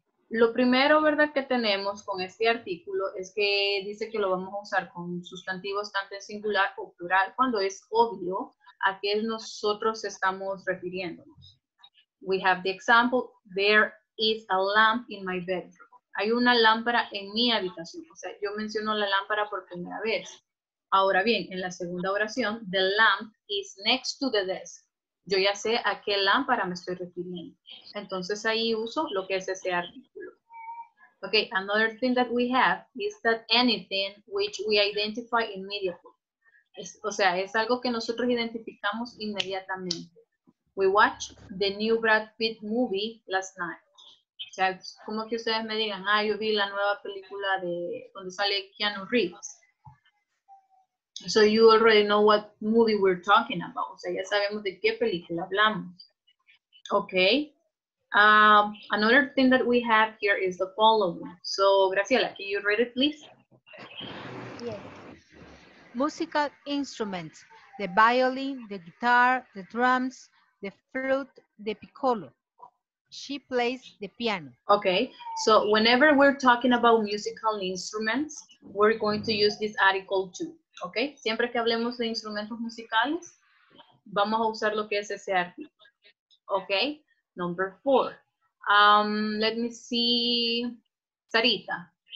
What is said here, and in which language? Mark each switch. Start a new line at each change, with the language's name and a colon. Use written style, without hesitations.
Spanish: Lo primero, ¿verdad?, que tenemos con este artículo es que dice que lo vamos a usar con sustantivos tanto en singular o plural cuando es obvio a qué nosotros estamos refiriéndonos.
English: We have the example, there is a lamp in my bedroom.
Spanish: Hay una lámpara en mi habitación. O sea, yo menciono la lámpara por primera vez. Ahora bien, en la segunda oración,
English: the lamp is next to the desk.
Spanish: Yo ya sé a qué lámpara me estoy refiriendo. Entonces ahí uso lo que es ese artículo.
English: Okay, another thing that we have is that anything which we identify immediately.
Spanish: O sea, es algo que nosotros identificamos inmediatamente.
English: We watched the new Brad Pitt movie last night.
Spanish: O sea, como que ustedes me digan, ah, yo vi la nueva película de donde sale Keanu Reeves.
English: So you already know what movie we're talking about.
Spanish: O sea, ya sabemos de qué película hablamos.
English: Okay. Another thing that we have here is the following. So, Graciela, can you read it, please? Yes. Musical instruments. The violin, the guitar, the drums, the flute, the piccolo. She plays the piano. Okay. So whenever we're talking about musical instruments, we're going to use this article too.
Spanish: Okay, siempre que hablemos de instrumentos musicales, vamos a usar lo que es ese artículo.
English: Okay, number four. Let me see, Sarita.